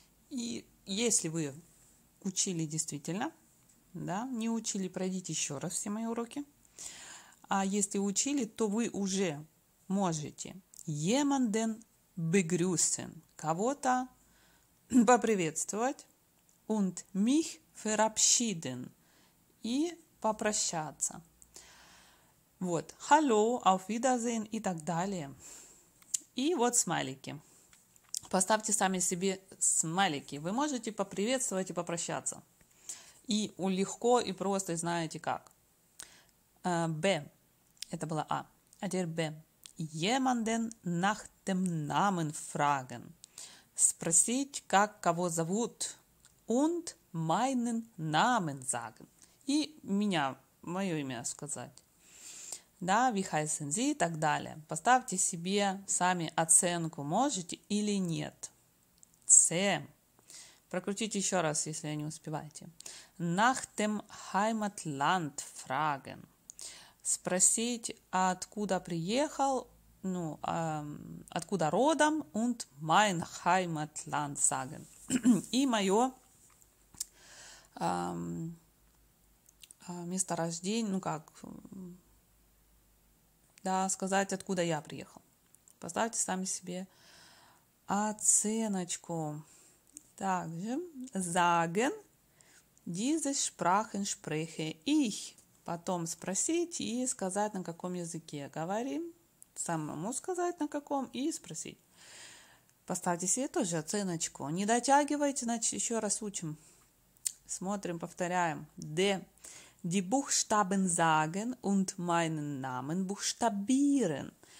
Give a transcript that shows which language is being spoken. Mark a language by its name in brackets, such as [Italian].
[Russian] И если вы учили действительно, да, не учили, пройдите еще раз все мои уроки. А если учили, то вы уже можете [German] jemanden begrüßen, [Russian] кого-то поприветствовать. [German] Und mich verabschieden. [Russian] И попрощаться. Вот. [German] Hallo, auf Wiedersehen [Russian] и так далее. И вот смайлики. Поставьте сами себе смайлики. Вы можете поприветствовать и попрощаться. И легко, и просто, и знаете как. Б. Это было А. А теперь Б. [German] Jemanden nach dem Namen fragen. [Russian] Спросить, как кого зовут. [German] Und meinen Namen sagen. [Russian] И меня, мое имя сказать. Да, [German] wie heißen Sie [Russian] и так далее. Поставьте себе сами оценку, можете или нет. C. Прокрутите еще раз, если не успеваете. [German] Nach dem Heimatland fragen. [Russian] Спросить, откуда приехал, ну, откуда родом. [German] Und mein Heimatland sagen. [Russian] И мое место рождения, ну как, да, сказать, откуда я приехал. Поставьте сами себе оценочку. Также [German] sagen, diese Sprachen spreche ich. [Russian] Потом спросить и сказать, на каком языке говорим. Самому сказать, на каком, и спросить. Поставьте себе тоже оценочку. Не дотягивайте, значит, еще раз учим. Смотрим, повторяем. D. [German] Die Buchstaben sagen und meinen Namen buchstabieren.